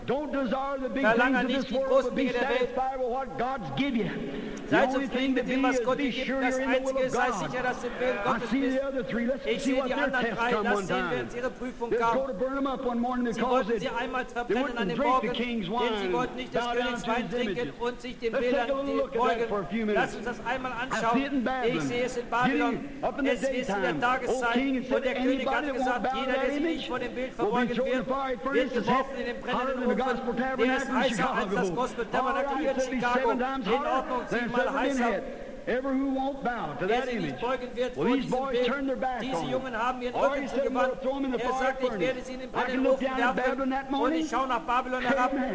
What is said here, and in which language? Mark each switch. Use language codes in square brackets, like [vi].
[en] don't desire the big things of this world, but be satisfied with what God's give you. [de] Sei zufrieden mit dem, was Gott dir gibt. Das Einzige ist, sei sicher, dass du im Willen Gottes bist. Ich sehe die anderen drei. Lass sehen, wer ihre Prüfung kam. Sie wollten sie einmal verbrennen an dem Morgen, denn sie wollten nicht des Königs Wein trinken und sich den Bildern beugen. Lass uns das einmal anschauen. Ich sehe es in Babylon. Es ist in der Tageszeit, wo der König hat gesagt, jeder, der sich nicht vor dem Bild verbeugen wird, wird geworfen in den brennenden Ofen. Er ist heißer als das Gospel-Tabernakel in Chicago. In Ordnung, siebenmal heißer. [en] Ever who won't bow to that image? Well, these boys turned their back [de] diese [en] on him. [de] Haben ihren Rücken zugewandt. Er sagt, ich werde sie in den brennenden Ofen werfen. Und ich schaue nach Babylon herab.